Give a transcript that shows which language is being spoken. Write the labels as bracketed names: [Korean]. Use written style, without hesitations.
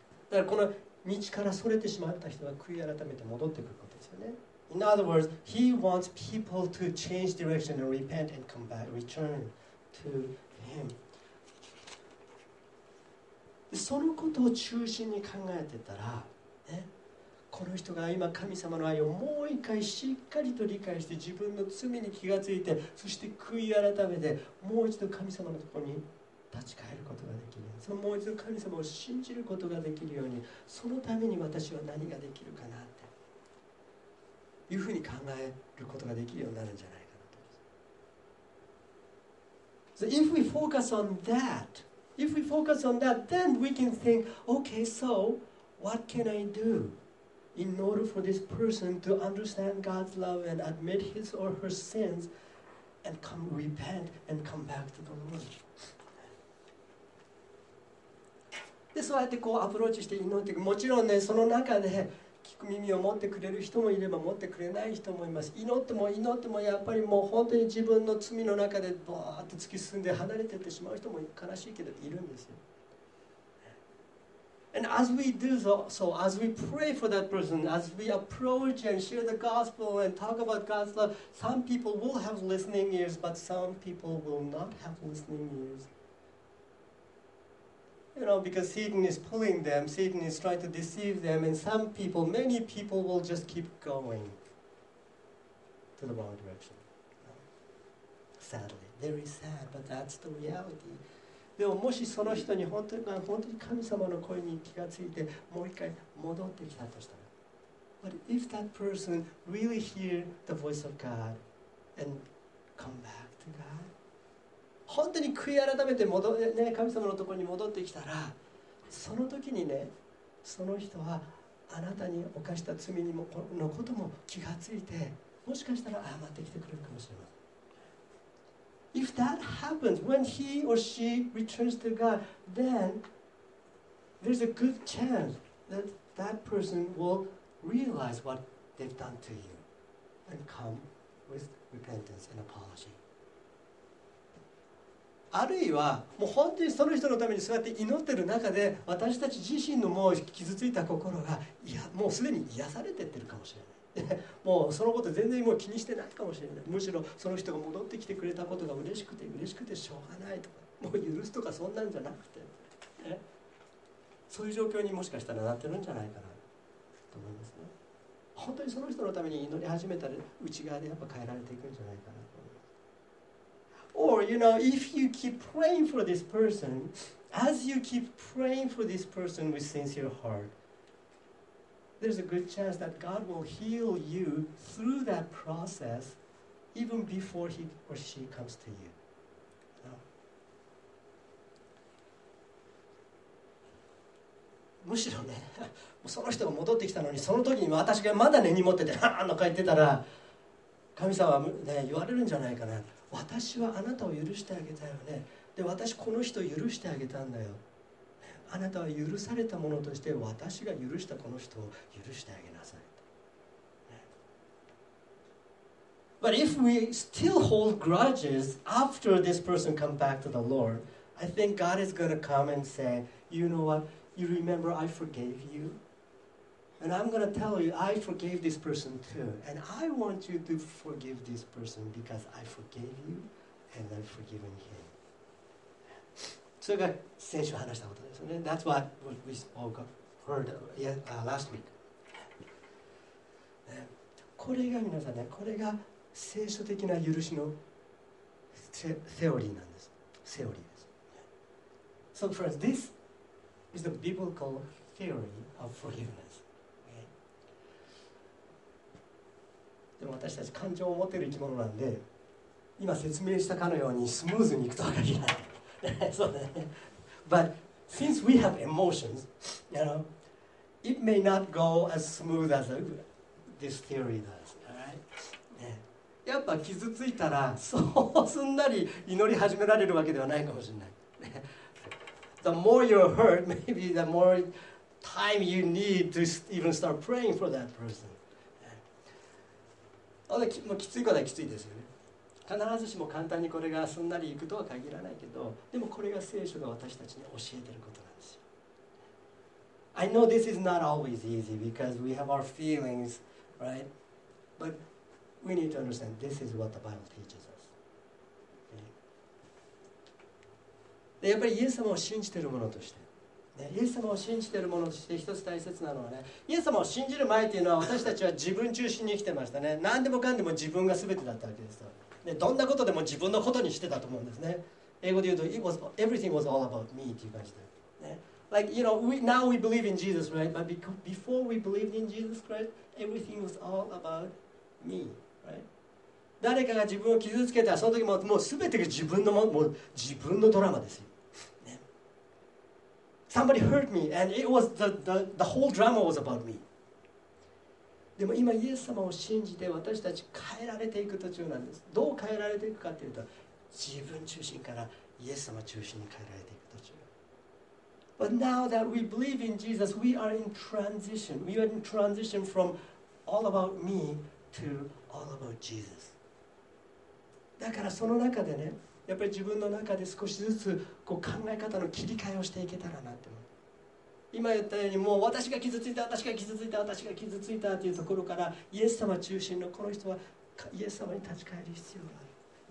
[Japanese] だからこの道からそれてしまった人が悔い改めて戻ってくることですよね。 [English] In other words, he wants people to change direction and repent and come back, return to him. [Japanese] そのことを中心に考えてたら、ね、この人が今神様の愛をもう一回しっかりと理解して自分の罪に気がついて、そして悔い改めてもう一度神様のところに立ち返ることができる。そのもう一度神様を信じることができるように、そのために私は何ができるかなって。いうふうに考えることができるようになるんじゃないかなと思います。 [English] So if we focus on that, if we focus on that, then we can think, okay, so what can I do in order for this person to understand God's love and admit his or her sins and come repent and come back to the Lord? [Japanese] で、そうやってこうアプローチして祈っていく。もちろんね、その中で聞く耳を持ってくれる人もいれば持ってくれない人もいます。祈っても祈ってもやっぱりもう本当に自分の罪の中でバーッと突き進んで離れていってしまう人も悲しいけどいるんですよ。 [English] And as we do so, so as we pray for that person, as we approach and share the gospel and talk about God's love, some people will have listening ears, but some people will not have listening ears. You know, because Satan is pulling them, Satan is trying to deceive them, and some people, many people will just keep going to the wrong direction. Sadly. Very sad, but that's the reality. [Japanese] でももしその人に本当に神様の声に気がついてもう一回戻ってきたとしたら。 [English] But if that person really hear the voice of God and come back to God, [Japanese] 本当に悔い改めて戻、ね、神様のところに戻ってきたら、その時にね、その人はあなたに犯した罪にものことも気がついて、もしかしたら謝ってきてくれるかもしれません。 [English] If that happens, when he or she returns to God, then there's a good chance that that person will realize what they've done to you and come with repentance and apology. [Japanese] あるいはもう本当にその人のためにそうやって祈ってる中で、私たち自身のもう傷ついた心がいやもうすでに癒されてってるかもしれない。もうそのこと全然もう気にしてないかもしれない。むしろその人が戻ってきてくれたことが嬉しくて嬉しくてしょうがないとか、もう許すとかそんなんじゃなくて、ね、そういう状況にもしかしたらなってるんじゃないかなと思いますね。本当にその人のために祈り始めたら内側でやっぱ変えられていくんじゃないかなと思います。 [English] Or you know, if you keep praying for this person, as you keep praying for this person with sincere heartThere's a good chance that God will heal you through that process even before he or she comes to you. [Japanese] むしろね、その人が戻ってきたのに、その時に私がまだ根に持っててハーンと帰ってたら、神様は、ね、言われるんじゃないかな。私はあなたを許してあげたよね。で、私この人を許してあげたんだよ。あなたは許されたものとして、私が許したこの人を許してあげなさい。 [English] But if we still hold grudges after this person come back to the Lord, I think God is going to come and say, you know what, you remember I forgave you? And I'm going to tell you, I forgave this person too. And I want you to forgive this person because I forgave you and I've forgiven him. [Japanese] それが先週話したことですよね。 [English] That's what we spoke heard last week. [Japanese] これが皆さんね、これが聖書的な許しのセオリーなんです。セオリーです。 [English] So friends, this is the biblical theory of forgiveness.、Okay. [Japanese] でも私たち感情を持っている生き物なんで、今説明したかのようにスムーズにいくとは限らない。そうね、 [English] But since we have emotions, you know, it may not go as smooth as this theory does. All right? [Japanese] やっぱ傷ついたらそうすんなり祈り始められるわけではないかもしれない。 [English] The more you're hurt, maybe the more time you need to even start praying for that person. [Japanese] もうきついことはきついですよね。必ずしも簡単にこれがすんなりいくとは限らないけど、でもこれが聖書が私たちに教えていることなんですよ。 [English] I know this is not always easy because we have our feelings, right? But we need to understand this is what the Bible teaches us.、 Okay? [Japanese] やっぱりイエス様を信じているものとして、ね、イエス様を信じているものとして一つ大切なのはね、イエス様を信じる前というのは私たちは自分中心に生きてましたね。何でもかんでも自分が全てだったわけですよ。ね、どんなことでも自分のことにしてたと思うんですね。英語で言うと、 [English] It was, everything was all about me [Japanese] っていう感じで。ね、 [English] like, you know, we, now we believe in Jesus, right? But before we believed in Jesus Christ, everything was all about me, right? [Japanese] 誰かが自分を傷つけたら、その時ももう全てが自分のもう自分のドラマですよ。ね、 [English] Somebody hurt me, and it was the whole drama was about me. [Japanese] でも今イエス様を信じて私たち変えられていく途中なんです。どう変えられていくかというと、自分中心からイエス様中心に変えられていく途中。 [English] But now that we believe in Jesus, we are in transition. We are in transition from all about me to all about Jesus. [Japanese] だからその中でね、やっぱり自分の中で少しずつこう考え方の切り替えをしていけたらなって思う。今言ったようにもう私が傷ついた、私が傷ついた、私が傷ついたというところから、イエス様中心のこの人はイエス様に立ち返る必要がある。